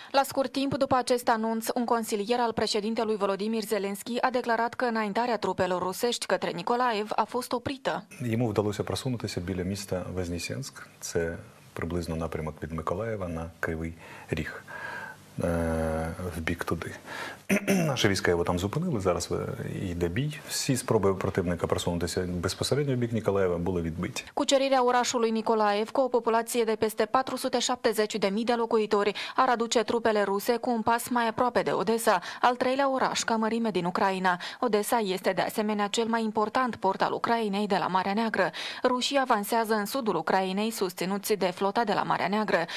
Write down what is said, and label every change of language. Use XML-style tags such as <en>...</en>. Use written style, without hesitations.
<ro>La scurt timp după acest anunț, un consilier al președintelui Volodymyr Zelensky a declarat că înaintarea trupelor rusești către Nicolaev a fost oprită.</ro> <uk>Йому вдалося просунутися біля міста Вознесенськ. Це приблизно напрямок від Миколаєва на Кривий Ріг, в бік туди. Наші війська його там зупинили, зараз йде бій. Всі спроби противника просунутися безпосередньо в бік Ніколаєва були відбиті.</uk> <ro>Кучерірea orașului Nicolaev cu o populație de peste 470.000 de locuitori ar aduce trupele ruse cu un pas mai aproape de Odessa, al treilea oraș ca mărime din Ucraina. Odessa este de asemenea cel mai important port al Ucrainei de la Marea Neagră. Rușii avansează în sudul Ucrainei susținuți de flota de la Marea Neagră.</ro>